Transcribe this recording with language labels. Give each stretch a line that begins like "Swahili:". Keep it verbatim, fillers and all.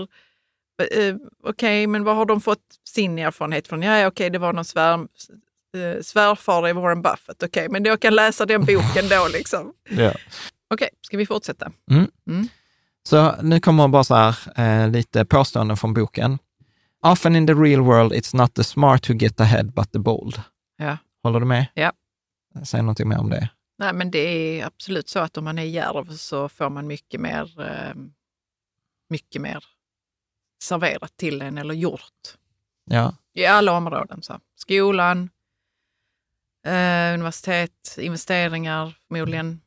Swedish: Eh, okej, okay, men vad har de fått sin erfarenhet från? Ja, okej, okay, det var någon svär... svärfar i Warren Buffett. Okej, okay, men jag kan läsa den boken då liksom. Ja. Okej, okay, ska vi fortsätta? Mm. Mm. Så nu kommer bara så här eh, lite påståenden från boken.
English: Often in the real world it's not the smart who get ahead but the bold.
Swedish: Ja. Håller du med? Ja. Säg någonting mer om det. Nej, men det är absolut så att om man är djärv så får man mycket mer eh, mycket mer serverat till en eller gjort. Ja. I alla områden. Så. Skolan, Eh, universitet, investeringar förmodligen.